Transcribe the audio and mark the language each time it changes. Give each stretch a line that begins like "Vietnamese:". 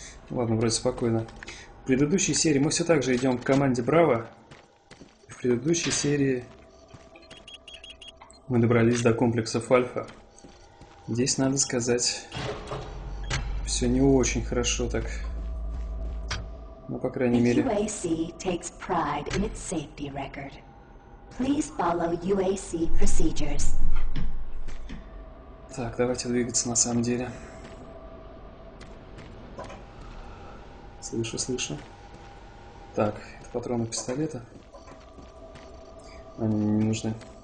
Russian: Ладно, вроде спокойно. В предыдущей серии мы все так же идем к команде Браво. В предыдущей серии мы добрались до комплексов Альфа. Здесь, надо сказать, все не очень хорошо так. Ну, по крайней мере.
English: UAC takes pride in its safety record. Please follow UAC procedures.
Russian: Так, давайте двигаться на самом деле. Слышу, слышу. Так, это патроны пистолета. Они мне не нужны.